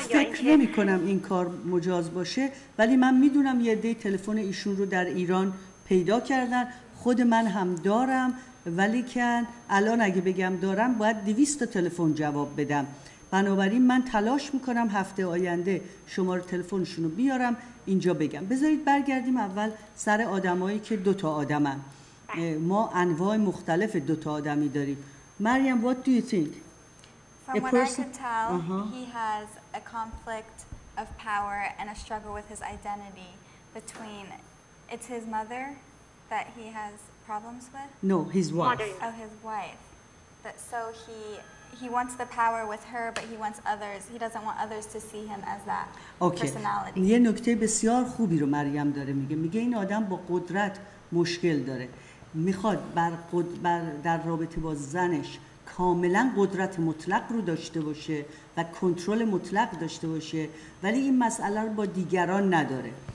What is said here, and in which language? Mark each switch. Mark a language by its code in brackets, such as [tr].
[fa] فکر نمی کنم این کار مجاز باشه، ولی من میدونم یه عده تلفن ایشون رو در ایران پیدا کردن، خود من هم دارم، ولی که الان اگه بگم دارم باید 200 تلفن جواب بدم، بنابراین من تلاش میکنم هفته آینده شماره تلفنشون رو بیارم اینجا بگم. بذارید برگردیم اول سر آدمایی که دوتا آدمن، ما انواع مختلف دوتا آدمی داریم. مریم، [en] what do you think? From what I can tell, he has a conflict of power and a struggle with his identity between, it's his mother that he has problems with? No, his wife. Oh, his wife. But so he wants the power with her, but he wants others. He doesn't want others to see him as that personality. [fa] یه نکته بسیار خوبی رو مریم داره میگه. میگه این آدم با قدرت مشکل داره. میخواد در رابطه با زنش کاملا قدرت مطلق رو داشته باشه و کنترل مطلق داشته باشه، ولی این مسئله رو با دیگران نداره.